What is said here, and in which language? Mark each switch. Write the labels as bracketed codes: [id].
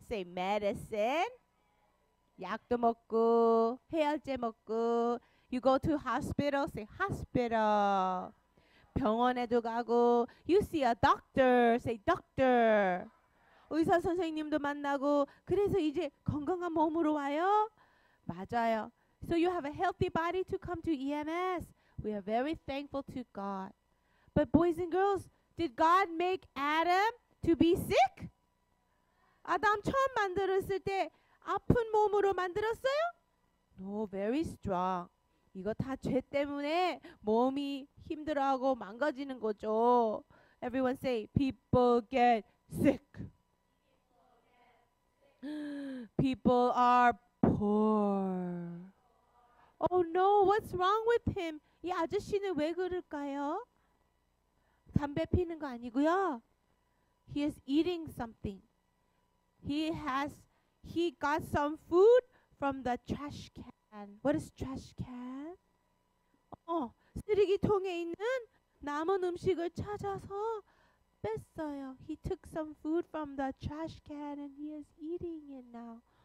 [en] Say medicine. [ko] 약도 먹고 해열제 먹고 [en] You go to hospital? Say hospital. [ko] 병원에도 가고 [en] You see a doctor? Say doctor. [ko] 의사 선생님도 만나고 그래서 이제 건강한 몸으로 와요? 맞아요. [en] So you have a healthy body to come to EMS. We are very thankful to God. But boys and girls, did God make Adam to be sick? [ko] 아담 처음 만들었을 때 아픈 몸으로 만들었어요? [en] No, very strong. [ko] 이거 다 죄 때문에 몸이 힘들어하고 망가지는 거죠. [en] Everyone say, people get sick. People are poor. Oh no, what's wrong with him? [ko] 이 아저씨는 왜 그럴까요? 담배 피는 거 아니고요. [en] He is eating something. He got some food from the trash can. What is trash can? [ko] 쓰레기통에 있는 남은 음식을 찾아서 뺐어요. [en] He took some food from the trash can and he is eating it now.